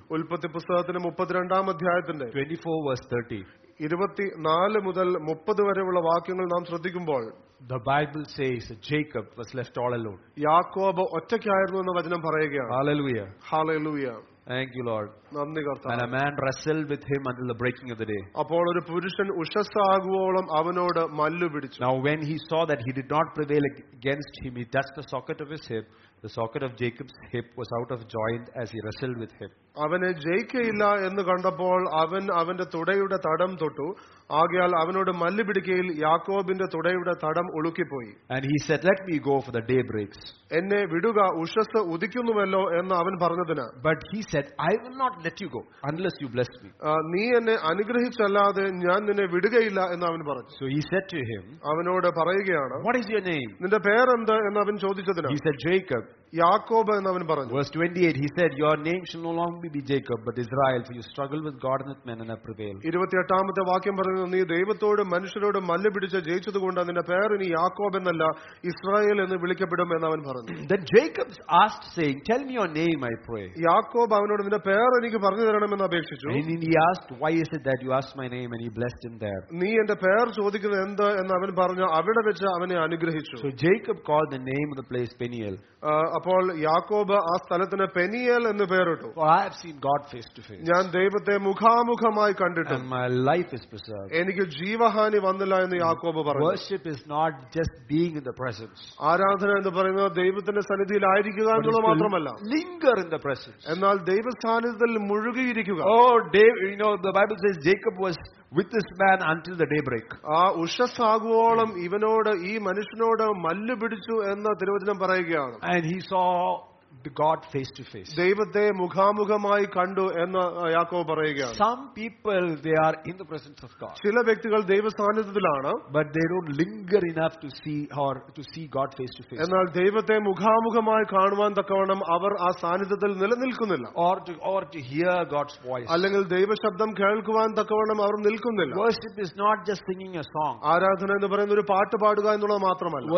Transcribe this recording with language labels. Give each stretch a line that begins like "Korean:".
Malayalam: ഉൽപ്പത്തി പുസ്തകത്തിന്റെ 32-ാം അധ്യായത്തിന്റെ
English: 24 verse 30
Malayalam: 24 മുതൽ 30 വരെയുള്ള വാക്യങ്ങൾ നാം ശ്രദ്ധിക്കുമ്പോൾ
English: the Bible says Jacob was left all alone.
Malayalam: യാക്കോബ് ഒറ്റയ്ക്കായിരുന്നു എന്ന വചനം പറയുകയാണ്. ഹല്ലേലൂയാ. ഹല്ലേലൂയാ.
English: Thank you, Lord.
Malayalam: നന്ദി കർത്താവേ.
English: And a man wrestled with him until the breaking of the day.
Malayalam: അപ്പോൾ ഒരു പുരുഷൻ ഉഷസ്സാകുവോളം അവനോട് മല്ലുപിടിച്ചു.
English: Now when he saw that he did not prevail against him, he touched the socket of his hip. The socket of Jacob's hip was out of joint as he wrestled with him.
Malayalam: അവനെ ജയിക്കയില്ല എന്ന് കണ്ടപ്പോൾ അവൻ അവന്റെ തുടയുടെ തടം തൊട്ടു. ആകയാൽ അവനോട് മല്ലുപിടിക്കയിൽ യാക്കോബിന്റെ തുടയുടെ തടം ഒളുക്കിപ്പോയി.
English: And he said, "Let me go for the day breaks."
Malayalam: എന്നെ വിടുക, ഉഷസ് ഉദിക്കുന്നുവല്ലോ എന്ന് അവൻ പറഞ്ഞതിന്.
English: But he said, "I will not let you go unless you bless me."
Malayalam: നീ എന്നെ അനുഗ്രഹിച്ചല്ലാതെ ഞാൻ നിന്നെ വിടുകയില്ല എന്ന് അവൻ പറഞ്ഞു.
English: So he said to him,
Malayalam: അവനോട് പറയുകയാണ്,
English: "What is your name?"
Malayalam: നിന്റെ പേര് എന്ത് എന്ന് അവൻ ചോദിച്ചതിന്.
English: He said, "Jacob."
Malayalam: യാക്കോബ് എന്ന് അവൻ പറഞ്ഞു.
English: Verse 28, he said, "Your name shall no longer be Jacob, but Israel, for you struggle with God and with men and have prevailed."
Malayalam: 28-ാമത്തെ വാക്യം പറയുന്നു, നീ ദൈവത്തോട് മനുഷ്യരോട് മല്ലുപിടിച്ച് ജയിച്ചതുകൊണ്ട് നിന്റെ പേര് ഇനി യാക്കോബ് എന്നല്ല ഇസ്രായേൽ എന്ന് വിളിക്കപ്പെടും എന്ന് അവൻ പറഞ്ഞു.
English: Then Jacob asked, saying, "Tell me your name, I pray."
Malayalam: യാക്കോബ് അവനോട് നിന്റെ പേര് എനിക്ക് പറഞ്ഞു തരണമെന്ന് അപേക്ഷിച്ചു.
English: And he asked, "Why is it that you asked my name?" And he blessed him there.
Malayalam: നീ എന്റെ പേര് ചോദിക്കുന്നത് എന്ത് എന്ന് അവൻ പറഞ്ഞു. അവിടെ വെച്ച് അവനെ അനുഗ്രഹിച്ചു.
English: So Jacob called the name of the place Peniel.
Malayalam: അപ്പോൾ യാക്കോബ് ആ സ്ഥലത്തിന് പെനിയേൽ എന്ന് പേരിട്ടു.
English: I have seen God face to face.
Malayalam: ഞാൻ ദൈവത്തെ മുഖാമുഖമായി കണ്ടിട്ടു.
English: And my life is preserved.
Malayalam: എനിക്ക് ജീവഹാനി വന്നില്ല എന്ന് യാക്കോബ് പറഞ്ഞു.
English: Worship is not just being in the presence.
Malayalam: ആരാധന എന്ന് പറയുന്നത് ദൈവത്തിന്റെ സന്നിധിയിൽ ആയിരിക്കുക എന്നുള്ളത് മാത്രമല്ല.
English: Linger in the presence.
Malayalam: എന്നാൽ ദൈവസ്ഥാനത്തിൽ മുഴുകിയിരിക്കുക.
English: The Bible says Jacob was with this man until the day break.
Malayalam: ആ ഉഷസ് ആകുവോളം ഇവനോട് ഈ മനുഷ്യനോട് മല്ലുപിടിച്ചു എന്ന് തിരുവചനം പറയുകയാണ്.
English: And he saw God face to face.
Malayalam: ദൈവത്തെ മുഖാമുഖമായി കണ്ടു എന്ന് യാക്കോബ് പറയുകയാണ്.
English: Some people, they are in the presence of God.
Malayalam: ചില വ്യക്തികൾ ദൈവസ്ഥാനത്തിലാണ്,
English: but they don't linger enough to see or to see God face to face.
Malayalam: എന്നാൽ ദൈവത്തെ മുഖാമുഖമായി കാണുവാൻ തക്കവണ്ണം അവർ ആ സാന്നിധ്യത്തിൽ നിലനിൽക്കുന്നില്ല.
English: Or to hear God's voice.
Malayalam: അല്ലെങ്കിൽ ദൈവശബ്ദം കേൾക്കുവാൻ തക്കവണ്ണം അവർ നിൽക്കുന്നില്ല.
English: Worship is not just singing a song.
Malayalam: ആരാധന എന്ന് പറയുന്നത് ഒരു പാട്ട് പാടുക എന്നുള്ളത് മാത്രമല്ല.